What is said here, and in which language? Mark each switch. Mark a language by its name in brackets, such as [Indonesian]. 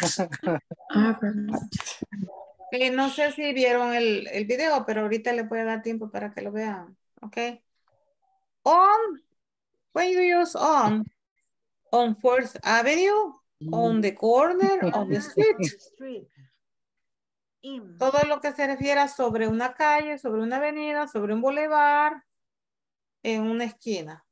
[Spanish] Okay, no sé si vieron el video, pero ahorita le voy a dar tiempo para que lo vean. Okay. [English] On, when you use on 4th Avenue, on the corner, on the street. [Spanish] Todo lo que se refiera sobre una calle, sobre una avenida, sobre un bulevar, en una esquina.